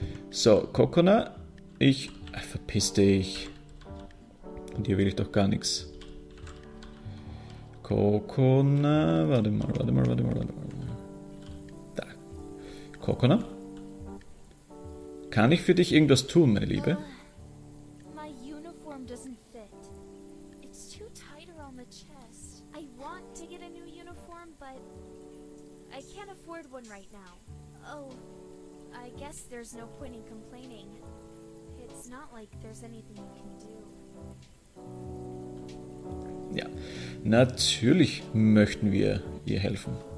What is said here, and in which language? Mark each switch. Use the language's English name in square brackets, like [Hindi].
[German] So, Kokona, ich, ach, verpiss dich, und hier will ich doch gar nichts. Kokona, warte mal. Da. Kokona? Kann ich für dich irgendwas tun, meine Liebe? [English] My uniform doesn't fit. It's too tight around the chest. I want to get a new uniform, but I can't afford one right now. Oh, I guess there's no point in complaining. It's not like there's anything you can do. [German] Ja, natürlich möchten wir ihr helfen.